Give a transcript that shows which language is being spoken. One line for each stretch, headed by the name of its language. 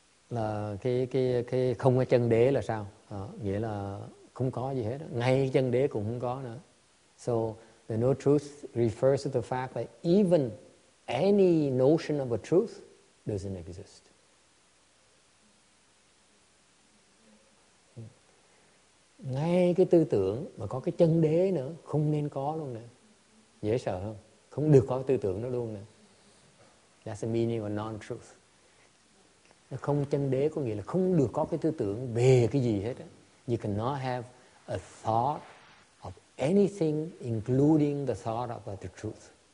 Vietnamese: Là cái không có chân đế là sao? Nghĩa là không có gì hết. Ngay chân đế cũng không có nữa.
English: So the no truth refers to the fact that even any notion of a truth doesn't exist.
Vietnamese: Ngay cái tư tưởng mà có cái chân đế nữa không nên có luôn nè. Dễ sợ không? Không được có cái tư tưởng đó luôn nè.
English: That's the meaning of non-truth.
Vietnamese: Không chân đế có nghĩa là không được có cái tư tưởng về cái gì hết.
English: You cannot have a thought of anything including the thought of the truth.